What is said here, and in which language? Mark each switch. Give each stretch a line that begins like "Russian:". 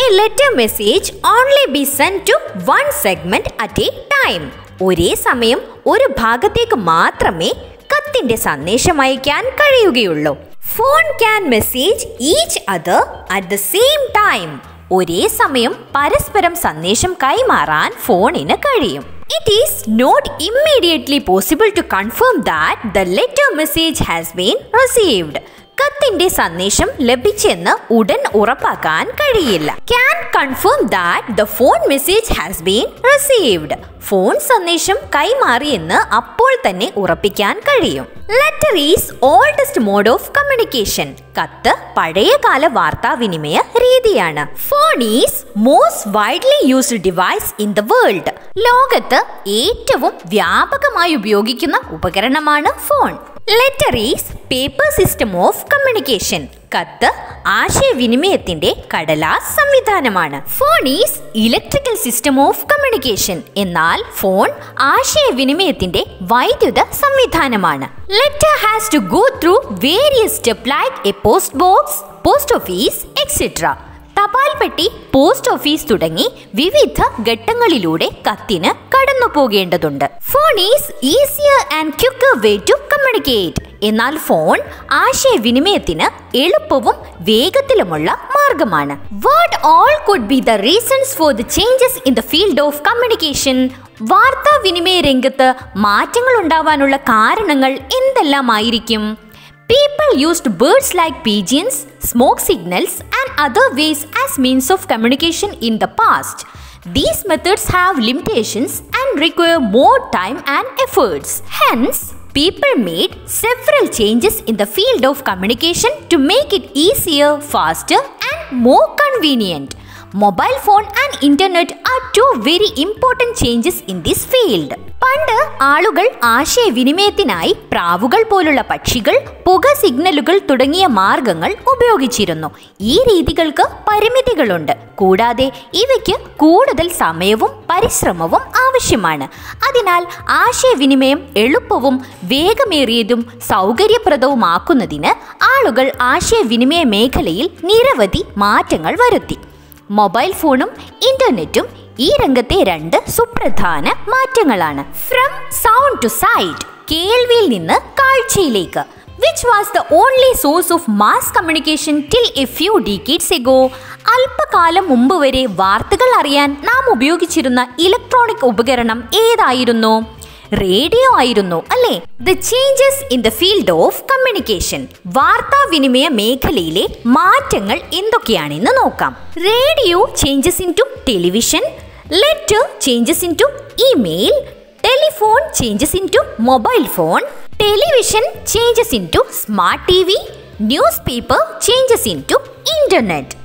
English: A letter message only be sent to one segment at a time.
Malayalam: ഒരേ സമയം ഒരു ഭാഗത്തേക്ക് മാത്രമേ കത്തിന്റെ സന്ദേശം അയക്കാൻ കഴിയുകയുള്ളൂ.
English: Phone can message each other at the same time.
Malayalam: ഒരേ സമയം പരസ്പരം സന്ദേശം കൈമാറാൻ ഫോണിന് കഴിയും.
English: it is not immediately possible to confirm that the letter message has been received.
Malayalam: കത്തിന്റെ സന്ദേശം ലഭിച്ചെന്ന് ഉടൻ ഉറപ്പാക്കാൻ കഴിയില്ല.
English: Can confirm that the phone message has been received.
Malayalam: Phone സന്ദേശം കൈമാറിയെന്ന് അപ്പോൾ തന്നെ ഉറപ്പിക്കാൻ കഴിയും.
English: Letter is oldest mode of communication.
Malayalam: കത്ത് പഴയകാല വാർത്താവിനിമയ രീതിയാണ്.
English: Phone is most widely used device in the world.
Malayalam: ലോകത്ത് ഏറ്റവും വ്യാപകമായി ഉപയോഗിക്കുന്ന ഉപകരണമാണ് phone.
English: Letter is paper system of communication.
Malayalam: കത്ത് ആശയവിനിമയത്തിന്റെ കടലാസ് സംവിധാനമാണ്.
English: Phone is electrical system of communication.
Malayalam: എന്നാൽ ഫോൺ ആശയവിനിമയത്തിന്റെ വൈദ്യുത സംവിധാനമാണ്.
English: Letter has to go through various steps like a post box, post office, etc.
Malayalam: തപാൽ പെട്ടി, പോസ്റ്റ് ഓഫീസ് തുടങ്ങി വിവിധ ഘട്ടങ്ങളിലൂടെ കത്തിന് കടന്നു പോകേണ്ടതുണ്ട്.
English: Phone is easier and quicker way to communicate.
Malayalam: എന്നാൽ ഫോൺ ആശയവിനിമയത്തിന് എളുപ്പവും വേഗത്തിലുമുള്ള മാർഗമാണ്.
English: What all could be the reasons for the changes in the field of communication?
Malayalam: വാർത്താവിനിമയ രംഗത്ത് മാറ്റങ്ങൾ ഉണ്ടാവാനുള്ള കാരണങ്ങൾ എന്തെല്ലാമായിരിക്കും?
English: People used birds like pigeons, smoke signals, and other ways as means of communication in the past. These methods have limitations and require more time and efforts. Hence, people made several changes in the field of communication to make it easier, faster, and more convenient. Mobile phone and internet are two very important changes in this field.
Malayalam: പണ്ട് ആളുകൾ ആശയവിനിമയത്തിനായി പ്രാവുകൾ പോലുള്ള പക്ഷികൾ, പുക സിഗ്നലുകൾ തുടങ്ങിയ മാർഗങ്ങൾ ഉപയോഗിച്ചിരുന്നു. ഈ രീതികൾക്ക് പരിമിതികളുണ്ട്. കൂടാതെ ഇവയ്ക്ക് കൂടുതൽ സമയവും പരിശ്രമവും ആവശ്യമാണ്. അതിനാൽ ആശയവിനിമയം എളുപ്പവും വേഗമേറിയതും സൗകര്യപ്രദവുമാക്കുന്നതിന് ആളുകൾ ആശയവിനിമയ മേഖലയിൽ നിരവധി മാറ്റങ്ങൾ വരുത്തി. മൊബൈൽ ഫോണും ഇന്റർനെറ്റും ഈ രംഗത്തെ രണ്ട് സുപ്രധാന മാറ്റങ്ങളാണ്.
English: from sound to sight,
Malayalam: കേൾവിയിൽ നിന്ന് കാഴ്ചയിലേക്ക്.
English: Which was the only source of mass communication till a few decades ago?
Malayalam: അല്പകാലം മുമ്പ് വരെ വാർത്തകൾ അറിയാൻ നാം ഉപയോഗിച്ചിരുന്ന ഇലക്ട്രോണിക് ഉപകരണം ഏതായിരുന്നു? റേഡിയോ ആയിരുന്നു, അല്ലേ?
English: The changes in the field of communication.
Malayalam: വാർത്താവിനിമയ മേഖലയിലെ മാറ്റങ്ങൾ എന്തൊക്കെയാണെന്ന് നോക്കാം.
English: Radio changes into television, letter changes into email, telephone changes into mobile phone, television changes into smart TV, newspaper changes into internet.